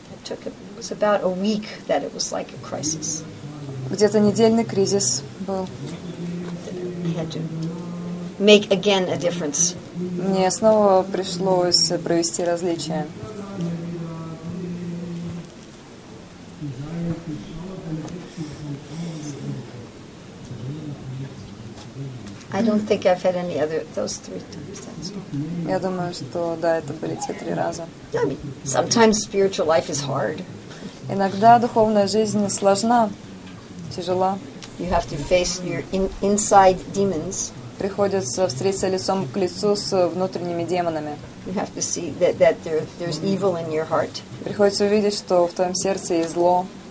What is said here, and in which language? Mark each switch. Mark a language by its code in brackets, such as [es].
[en] It was about a week that it was like a crisis. [ru] Где-то недельный кризис был. [en] I had to make again a difference. [ru] мне снова пришлось провести различия. [en] I don't think I've had any other those three times. [ru] Я думаю, что да, это были те три раза. [en] I mean, sometimes spiritual life is hard. [ru] Иногда духовная жизнь сложна, тяжела. [en] You have to face your inside demons. [ru] Приходится встретиться лицом к лицу с внутренними демонами. [en] You have to see that there's evil in your heart. [ru] Приходится увидеть, что в твоем сердце есть зло.